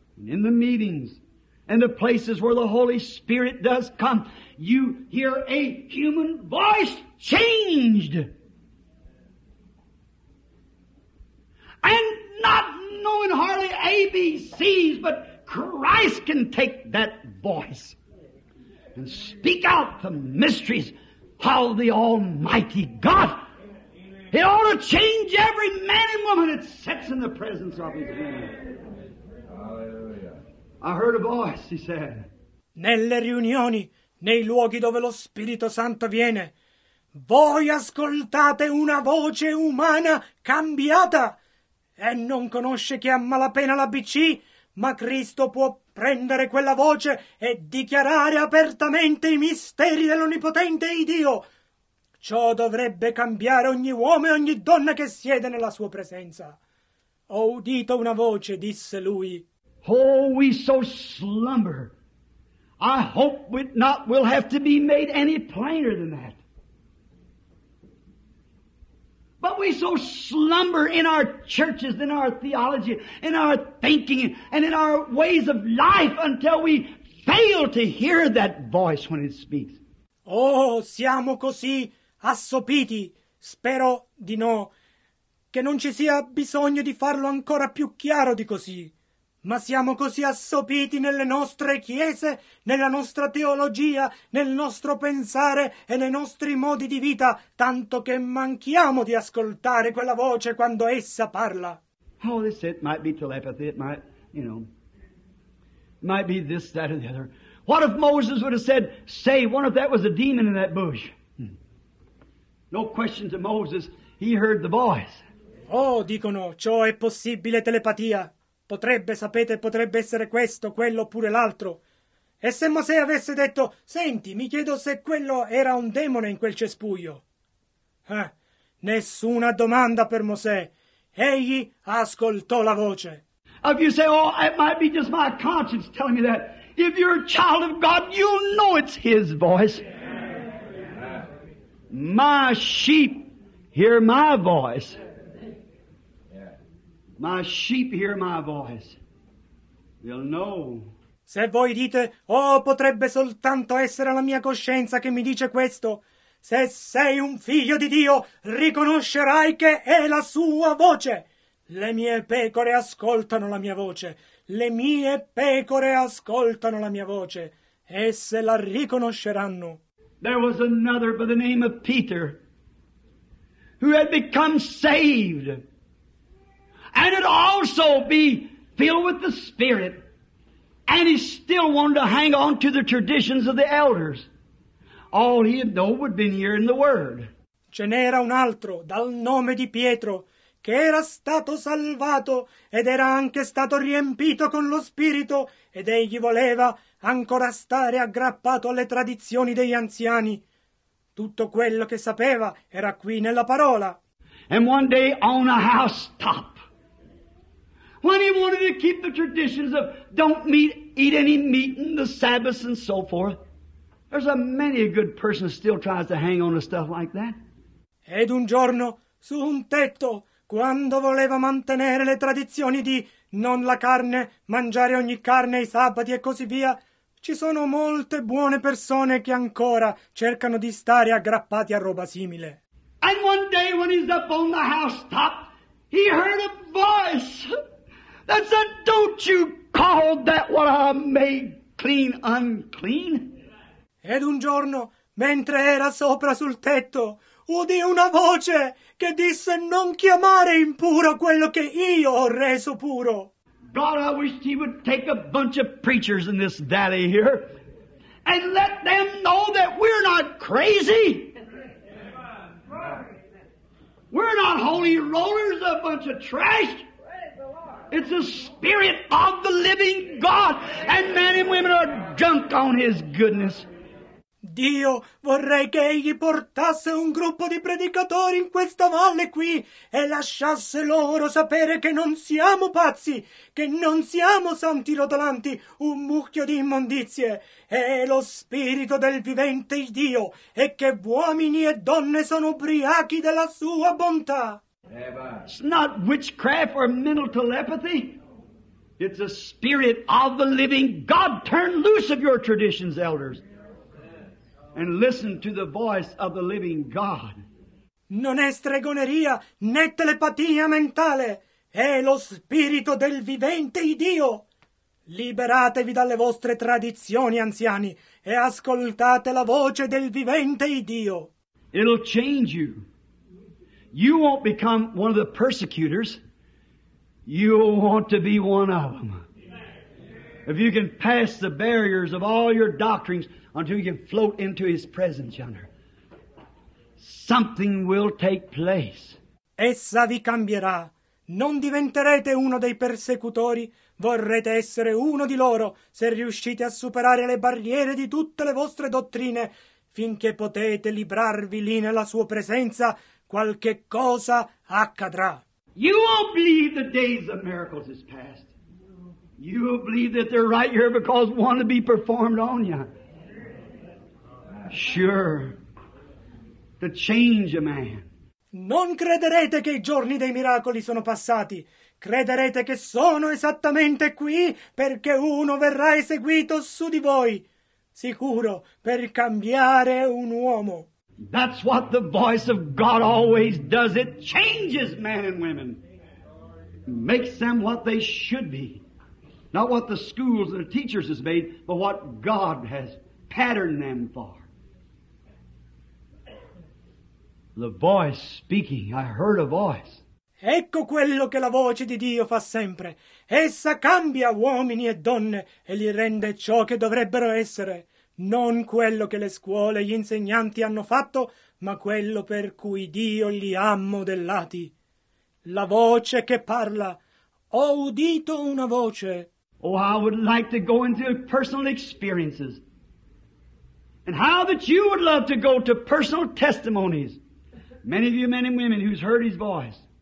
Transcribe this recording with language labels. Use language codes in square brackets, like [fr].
[en] In the meetings and the places where the Holy Spirit does come, you hear a human voice changed. And not knowing hardly ABCs, but Christ can take that voice and speak out the mysteries of the Almighty God. It ought to change every man and woman that sits in the presence of His hand. I heard a voice, he said. [it] Nelle riunioni, nei luoghi dove lo Spirito Santo viene, voi ascoltate una voce umana cambiata. E non conosce chi ha malapena l'ABC, ma Cristo può prendere quella voce e dichiarare apertamente i misteri dell'Onnipotente e Dio. Ciò dovrebbe cambiare ogni uomo e ogni donna che siede nella sua presenza. Ho udito una voce, disse lui. [en] Oh, we so slumber. I hope we not will have to be made any plainer than that. But we so slumber in our churches, in our theology, in our thinking, and in our ways of life until we fail to hear that voice when it speaks. [it] Oh, siamo così assopiti, spero di no, che non ci sia bisogno di farlo ancora più chiaro di così. Ma siamo così assopiti nelle nostre chiese, nella nostra teologia, nel nostro pensare e nei nostri modi di vita, tanto che manchiamo di ascoltare quella voce quando essa parla. [en] Oh, this it might be telepathy, it might, you know, might be this, that, or the other. What if Moses would have said, say, what if that was a demon in that bush? No question to Moses, he heard the voice. [it] Oh, dicono, ciò è possibile telepatia. Potrebbe, sapete, potrebbe essere questo, quello oppure l'altro. E se Mosè avesse detto, senti, mi chiedo se quello era un demone in quel cespuglio. Nessuna domanda per Mosè. Egli ascoltò la voce. [en] If you say, oh, it might be just my conscience telling me that. If you're a child of God, you'll know it's His voice. My sheep hear my voice. My sheep hear my voice. They'll know. [it] Se voi dite, oh, potrebbe soltanto essere la mia coscienza che mi dice questo. Se sei un figlio di Dio, riconoscerai che è la sua voce. Le mie pecore ascoltano la mia voce. Le mie pecore ascoltano la mia voce. Esse la riconosceranno. [en] There was another by the name of Peter who had become saved. And it also be filled with the Spirit. And he still wanted to hang on to the traditions of the elders. All he had known would been hearing the word. [it] Ce n'era un altro, dal nome di Pietro, che era stato salvato ed era anche stato riempito con lo Spirito, ed egli voleva ancora stare aggrappato alle tradizioni degli anziani. Tutto quello che sapeva era qui nella parola. [en] And one day on a housetop, when he wanted to keep the traditions of don't meet, eat any meat in the Sabbath and so forth. There's a many a good person still tries to hang on to stuff like that. [it] Ed un giorno, su un tetto, quando voleva mantenere le tradizioni di non la carne, mangiare ogni carne ai sabati e così via, ci sono molte buone persone che ancora cercano di stare aggrappati a roba simile. [en] And one day when he's up on the housetop, he heard a voice. That said, don't you call that what I made clean unclean? [it] Ed un giorno, mentre era sopra sul tetto, udì una voce che disse non chiamare impuro quello che io ho reso puro. [en] God, I wish he would take a bunch of preachers in this valley here and let them know that we're not crazy. We're not holy rollers, a bunch of trash. It's the Spirit of the living God. And men and women are drunk on his goodness. [it] Dio, vorrei che egli portasse un gruppo di predicatori in questa valle qui e lasciasse loro sapere che non siamo pazzi, che non siamo santi rotolanti, un mucchio di immondizie. È lo Spirito del vivente Dio e che uomini e donne sono ubriachi della sua bontà. [en] It's not witchcraft or mental telepathy. It's the Spirit of the living God. Turn loose of your traditions, elders. And listen to the voice of the living God. [it] Non è stregoneria né telepatia mentale, è lo spirito del vivente Dio. Liberatevi dalle vostre tradizioni, anziani, e ascoltate la voce del vivente Dio. [en] It'll change you. You won't become one of the persecutors. You'll want to be one of them. If you can pass the barriers of all your doctrines until you can float into his presence yonder, something will take place. [it] Essa vi cambierà. Non diventerete uno dei persecutori. Vorrete essere uno di loro se riuscite a superare le barriere di tutte le vostre dottrine, finché potete librarvi lì nella sua presenza, qualche cosa accadrà. [en] You won't believe the days of miracles is past. You will believe that they're right here because want to be performed on you. Sure, to change a man. [it] Non crederete che i giorni dei miracoli sono passati. Crederete che sono esattamente qui perché uno verrà eseguito su di voi, sicuro, per cambiare un uomo. [en] That's what the voice of God always does. It changes men and women. Makes them what they should be. Not what the schools and the teachers has made, but what God has patterned them for. The voice speaking, I heard a voice. [it] Ecco quello che la voce di Dio fa sempre. Essa cambia uomini e donne e li rende ciò che dovrebbero essere. Non quello che le scuole e gli insegnanti hanno fatto, ma quello per cui Dio li ha modellati. La voce che parla. Ho udito una voce. [en] Oh, I would like to go into personal experiences. And how that you would love to go to personal testimonies. Many of you men and women who've heard his voice.